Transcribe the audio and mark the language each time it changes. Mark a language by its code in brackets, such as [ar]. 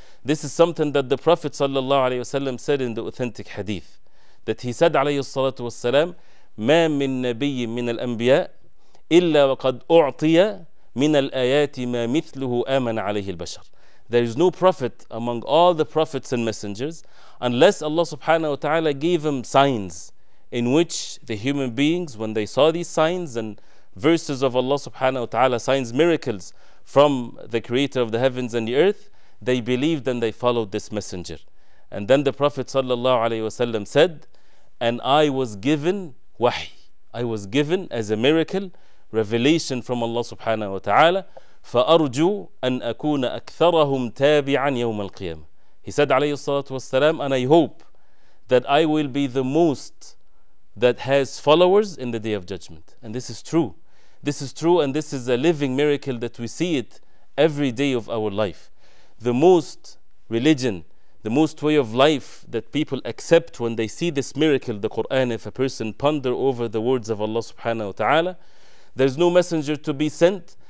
[en] This is something that the Prophet sallallahu alaihi wasallam said in the authentic hadith, that he said [ar] عليه الصلاة والسلام ما من نبي من الأنبياء إلا وقد أعطي من الآيات ما مثله آمن عليه البشر. [en] There is no prophet among all the prophets and messengers unless Allah subhanahu wa ta'ala gave him signs, in which the human beings, when they saw these signs and verses of Allah subhanahu wa ta'ala, signs, miracles from the creator of the heavens and the earth, they believed and they followed this messenger. And then the Prophet sallallahu alaihi wasallam said, "And I was given wahy. I was given as a miracle, revelation from Allah subhanahu wa ta'ala. [ar] فأرجو أن أكون أكثرهم تابعا يوم القيامة." [en] He said [ar] عليه الصلاة والسلام, [en] "And I hope that I will be the most that has followers in the day of judgment." And this is true. This is true, and this is a living miracle that we see it every day of our life. The most religion, the most way of life that people accept when they see this miracle, the Quran, if a person ponder over the words of Allah subhanahu wa ta'ala, there's no messenger to be sent.